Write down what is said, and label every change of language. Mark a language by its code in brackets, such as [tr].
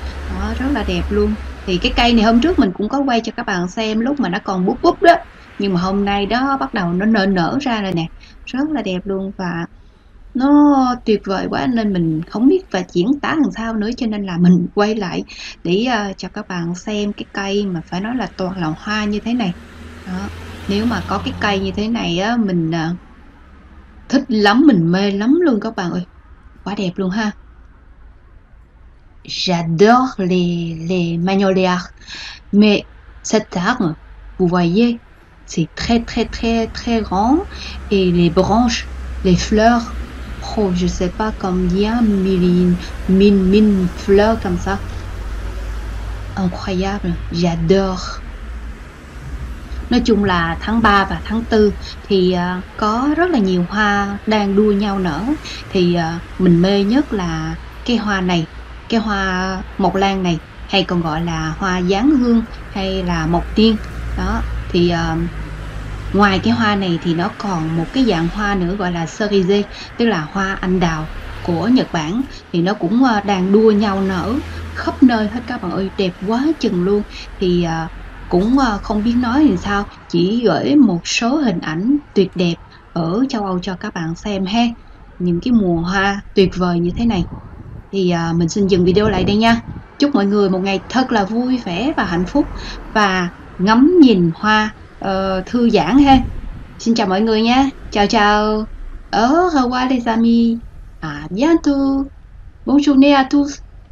[vi] Đó, rất là đẹp luôn. Thì cái cây này hôm trước mình cũng có quay cho các bạn xem lúc mà nó còn búp búp đó, nhưng mà hôm nay đó bắt đầu nó nở nở ra rồi nè, rất là đẹp luôn, và nó tuyệt vời quá nên mình không biết phải diễn tả làm sao nữa, cho nên là mình quay lại để cho các bạn xem cái cây mà phải nói là toàn là hoa như thế này đó. Nếu mà có cái cây như thế này á, mình thích lắm, mình mê lắm luôn các bạn ơi, quá đẹp luôn ha. [fr] J'adore les magnolias, mais cet arbre, vous voyez, c'est très très très très grand et les branches, les fleurs, oh, je sais pas combien mille fleurs comme ça, incroyable, j'adore. [vi] Nói chung là tháng 3 và tháng 4 thì có rất là nhiều hoa đang đua nhau nở, thì mình mê nhất là cái hoa này. Cái hoa mộc lan này hay còn gọi là hoa giáng hương hay là mộc tiên đó, thì ngoài cái hoa này thì nó còn một cái dạng hoa nữa gọi là cerise, tức là hoa anh đào của Nhật Bản, thì nó cũng đang đua nhau nở khắp nơi hết các bạn ơi, đẹp quá chừng luôn. Thì cũng không biết nói làm sao, chỉ gửi một số hình ảnh tuyệt đẹp ở châu Âu cho các bạn xem ha, những cái mùa hoa tuyệt vời như thế này. Thì mình xin dừng video lại đây nha. Chúc mọi người một ngày thật là vui vẻ và hạnh phúc, và ngắm nhìn hoa thư giãn ha. Xin chào mọi người nha. Chào chào. [fr] Au revoir les amis. À bientôt. Bonjour à tous.